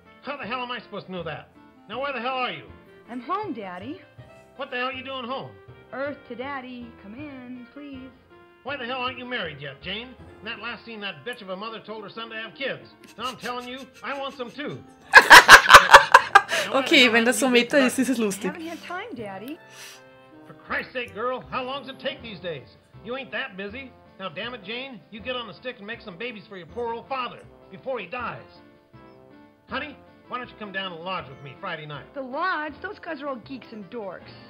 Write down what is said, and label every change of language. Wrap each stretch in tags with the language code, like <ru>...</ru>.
<en>How the hell am I supposed to know that? Now, where the hell are you? I'm home, Daddy. What the hell are you doing home? Earth to Daddy. Come in, please. Why the hell aren't you married yet, Jane? In that last scene, that bitch of a mother told her son to have kids. Now I'm telling you, I want some too.</en> <de>Okay, wenn das so meta ist, ist es lustig.</de> <en>I haven't had time, Daddy. For Christ's sake, girl, how long does it take these days? You ain't that busy. Now, damn it, Jane, you get on the stick and make some babies for your poor old father before he dies. Honey, why don't you come down to the lodge with me Friday night? The lodge? Those guys are all geeks and dorks.</en>